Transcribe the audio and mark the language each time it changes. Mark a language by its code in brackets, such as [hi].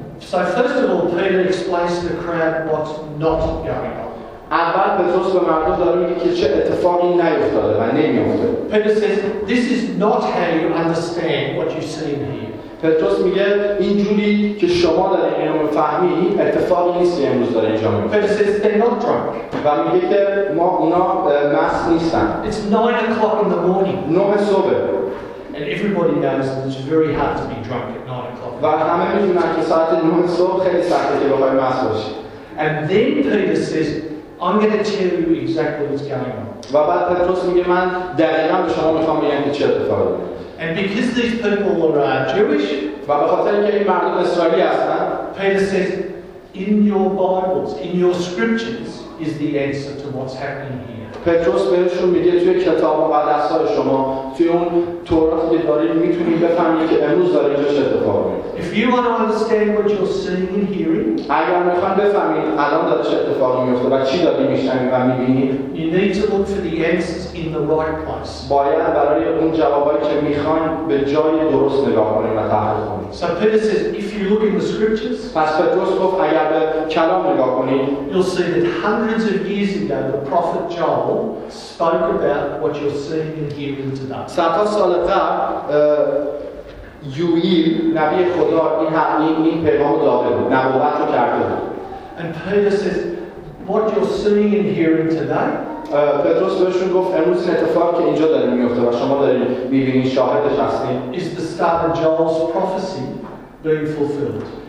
[en] So first of all, Peter explains to the crowd what's not going on. [fa] اول پتروس به مردم داره میگه که چه اتفاقی نیفتاده و نمیفته. [en] Peter says, this is not how you understand what you see here. [fa] پتروس میگه اینجوری که شما دارید اینو میفهمید، اتفاقی نیست که امروز داره اینجا میفته. [en] Peter says, they're not drunk. [fa] و میگه که ما اونا مست نیستن. [en] It's 9 o'clock in the morning. [fa] 9 صبح. [en] And everybody knows that it's very hard to be drunk at 9 o'clock. [fa] و همه میدونن که ساعت 9 صبح خیلی سخته که بخوای مست باشی. [en] And then Peter says, I'm going to tell you exactly what's going on. [fa] و بعد پتروس میگه من دقیقاً به شما میخوام بگم که چه اتفاقی افتاده. [en] And because these people are Jewish, [fa] و به خاطر اینکه این مردم اسرائیلی هستن، [en] Peter says, in your Bibles, in your scriptures, is the answer to what's happening here. [fa] پتروس بهشون میگه توی کتاب مقدس‌های شما توی اون توراتی که دارید میتونید بفهمید که امروز داره اینجا چه اتفاقی میفته. [en] If you want to understand what you're seeing and hearing, [fa] اگر میخواید بفهمید الان داره چه اتفاقی میفته و چی داری میشنوی و میبینید, [en] you need to look for the answers in the right place. [fa] باید برای اون جوابایی که میخواید به جای درست نگاه کنید و تحقیق کنید. [en] So Peter says, if you look in the scriptures, [fa] پس پتروس گفت اگر به کلام نگاه کنید, [en] you'll see that hundreds of years ago the prophet John spoke about what you're seeing and hearing today. [fa] صدها سال قبل یوئیل نبی خدا این پیغام داده بود, نبوت رو کرده بود. [en] And Peter says, what you're seeing and hearing today, [fa] پتروس بهشون گفت امروز این اتفاق که اینجا داره میفته و شما دارید میبینید شاهدش هستید, [en] is the start of Joel's prophecy being fulfilled.